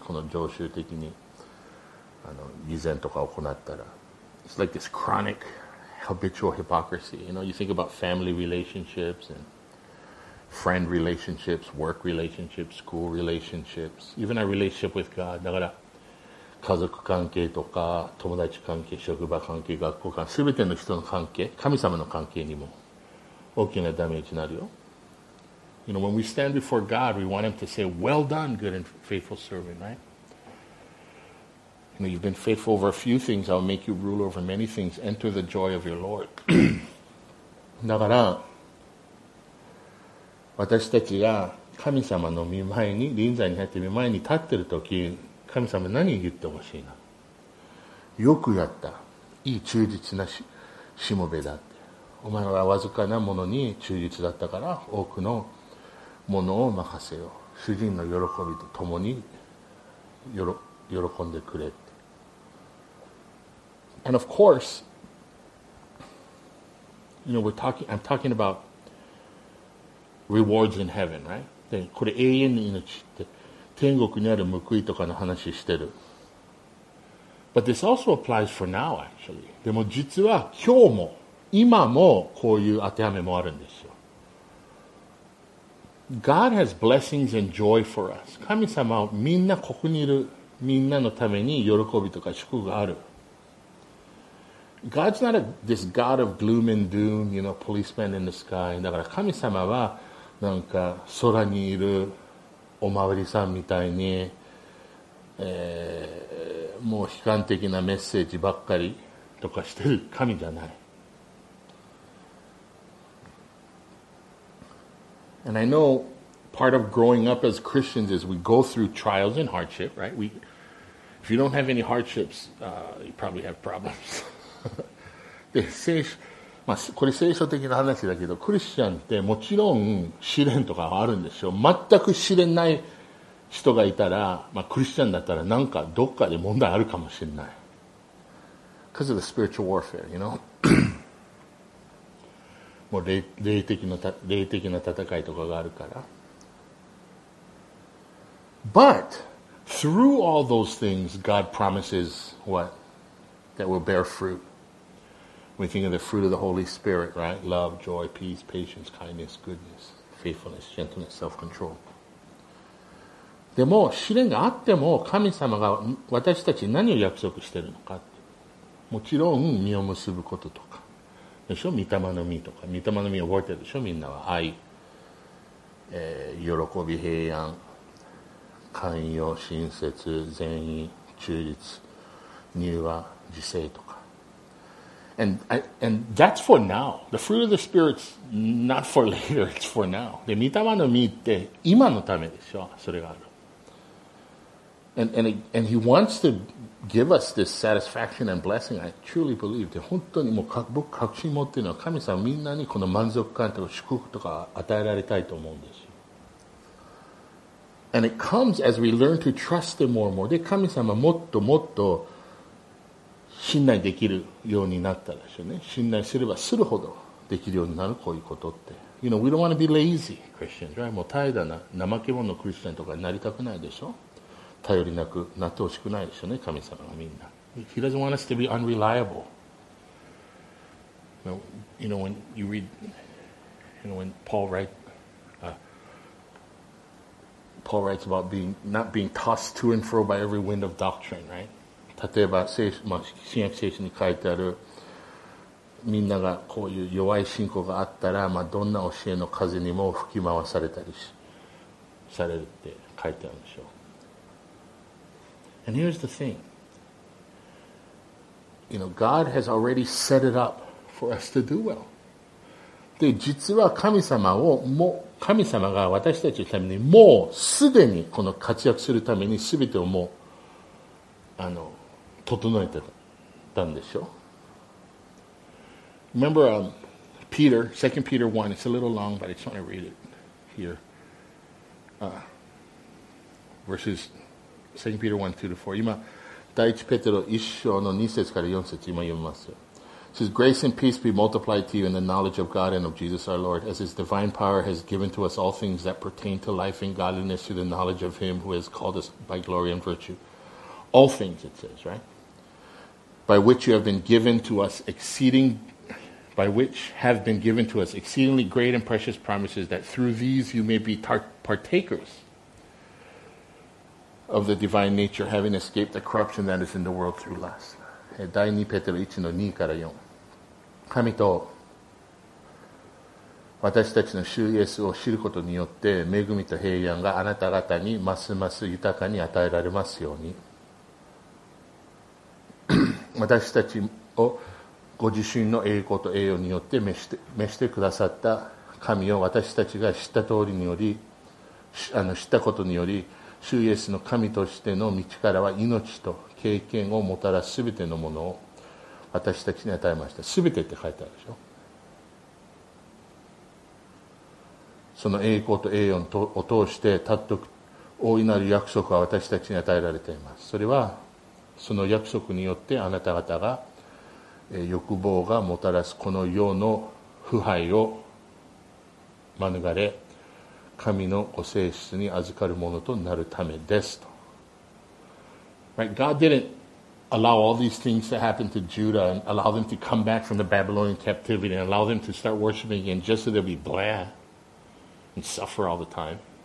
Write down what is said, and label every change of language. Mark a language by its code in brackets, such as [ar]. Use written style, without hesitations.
[ja] この常習的に偽善とかを行ったら。 [en] It's like this chronic habitual hypocrisy. You know, you think about family relationships and friend relationships, work relationships, school relationships, even a relationship with God. [ja] だから家族関係とか友達関係、職場関係、学校関係、全ての人の関係、神様の関係にも大きなダメージになるよ。 [en] You know, when we stand before God, we want Him to say, well done, good and faithful servant, right? You know, you've been faithful over a few things. I'll make you ruler over many things. Enter the joy of your Lord. [ja] だから、私たちが神様の御前に、臨在に入って御前に立ってるとき、神様何言ってほしいな。よくやった。いい忠実なしもべだって。お前はわずかなものに忠実だったから、多くのものを任せよ、主人の喜びと共に喜んでくれって。 [en] And of course, you know, I'm talking about rewards in heaven, right? [ja] で、これ永遠の命って、天国にある報いとかの話してる。 [en] But this also applies for now, actually. [ja] でも実は今日も、今もこういう当てはめもあるんですよ。 [en] God has blessings and joy for us. [ja] 神様はみんな、ここにいるみんなのために喜びとか祝福がある。 [en] God's not this God of gloom and doom, you know, policeman in the sky. [ja] だから神様はなんか空にいるおまわりさんみたいに、もう悲観的なメッセージばっかりとかしてる神じゃない。 [en] And I know part of growing up as Christians is we go through trials and hardship, right? If you don't have any hardships, you probably have problems. [ja] で、これ聖書的な話だけど、クリスチャンってもちろん試練とかあるんですよ。全く試練ない人がいたら、クリスチャンだったらなんかどっかで問題あるかもしれない。 [en] Because of the spiritual warfare, you know? [ja] もう霊的な戦いとかがあるから。 [en] But through all those things, God promises what? That will bear fruit. We think of the fruit of the Holy Spirit, right? Love, joy, peace, patience, kindness, goodness, faithfulness, gentleness, self-control. [ja] でも試練があっても神様が私たち何を約束してるのかって。もちろん実を結ぶこととか。でしょ、御霊の実とか、御霊の実覚えてるでしょ、みんなは愛、喜び、平安、寛容、親切、善意、忠実、柔和、自制とか。 [en] And that's for now. The fruit of the Spirit's not for later, it's for now. [ja] で、御霊の実って今のためでしょ、それがある。 [en] And he wants toGive us this satisfaction and blessing. I truly believe that [ja] 本当にもう僕確信持っているのは神様みんなにこの満足感とか祝福とか与えられたいと思うんですよ。 [en] And it comes as we learn to trust Him more and more. [ja] で、神様もっともっと信頼できるようになったらしいね。信頼すればするほどできるようになる、こういうことって。 [en] You know, we don't want to be lazy Christians, right? [ja] もう怠惰な怠け者のクリスチャンとかになりたくないでしょ。頼りなくなってほしくないですよね、神様がみんな。 [en] He doesn't want us to be unreliable. You know, when you read, you know, when Paul writes about not being tossed to and fro by every wind of doctrine, right? [ja] 例えば、新約聖書に書いてある、みんながこういう弱い信仰があったら、まあ、どんな教えの風にも吹き回されたりしされるって書いてあるんでしょう。 [en] And here's the thing. You know, God has already set it up for us to do well. [ja] で、実は神様をもう神様が私たちのためにもうすでにこの活躍するために全てをもう整えてたんでしょう。 [en] Remember Peter, 2 Peter 1, it's a little long, but I just want to read it here. Verses 2 Peter 1, 2 to 4. [ja] 今、第1ペテロ1章の2節から4節、今読みます。 [en] It says, Grace and peace be multiplied to you in the knowledge of God and of Jesus our Lord, as his divine power has given to us all things that pertain to life and godliness through the knowledge of him who has called us by glory and virtue. All things, it says, right? By which you have been given to us exceeding... by which have been given to us exceedingly great and precious promises that through these you may be partakers of the divine nature, having escaped the corruption that is in the world through lust. [ja] 第2ペテロ1の2から4。神と私たちの主イエスを知ることによって恵みと平安があなた方にますます豊かに与えられますように。私たちをご自身の栄光と栄誉によって召してくださった神を私たちが知った通りにより知ったことにより主イエスの神としての道からは命と経験をもたらす全てのものを私たちに与えました。全てって書いてあるでしょ。その栄光と栄誉を通して尊く大いなる約束は私たちに与えられています。それはその約束によってあなた方が欲望がもたらすこの世の腐敗を免れ神のご性質に預かるものとなるためですと。 [en] Right, God didn't allow all these things to happen to Judah and allow them to come back from the Babylonian captivity and allow them to start worshiping again just so they'll be blah and suffer all the time.